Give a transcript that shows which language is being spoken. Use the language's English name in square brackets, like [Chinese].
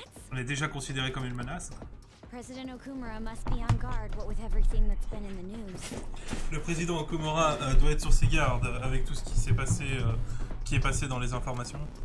[French] On est déjà considéré comme une menace. [English] President Okumura must be on guard, what with everything that's been in the news. [French] Le président Okumura doit être sur ses gardes avec tout ce qui s'est passé, qui est passé dans les informations.